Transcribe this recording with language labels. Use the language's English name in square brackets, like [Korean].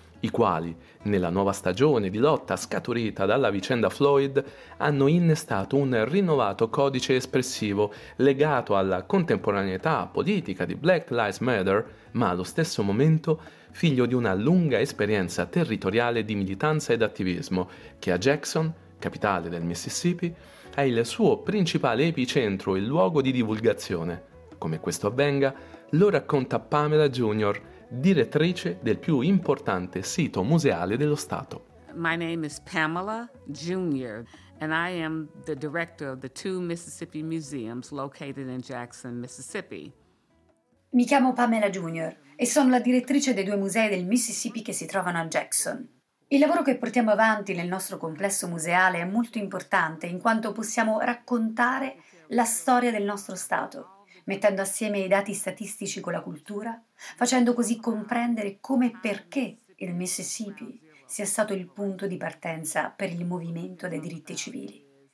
[Italian] i quali, nella nuova stagione di lotta scaturita dalla vicenda Floyd, hanno innestato un rinnovato codice espressivo legato alla contemporaneità politica di Black Lives Matter, ma allo stesso momento figlio di una lunga esperienza territoriale di militanza ed attivismo, che a Jackson, capitale del Mississippi, è il suo principale epicentro e luogo di divulgazione. Come questo avvenga, lo racconta Pamela Junior, direttrice del più importante sito museale dello Stato. [English] My name is Pamela Junior and I am the director of the two Mississippi museums located in Jackson, Mississippi. [Italian] Mi chiamo Pamela Junior e sono la direttrice dei due musei del Mississippi che si trovano a Jackson. Il lavoro che portiamo avanti nel nostro complesso museale è molto importante in quanto possiamo raccontare la storia del nostro Stato, mettendo assieme i dati statistici con la cultura, facendo così comprendere come e perché il Mississippi sia stato il punto di partenza per il movimento dei diritti civili.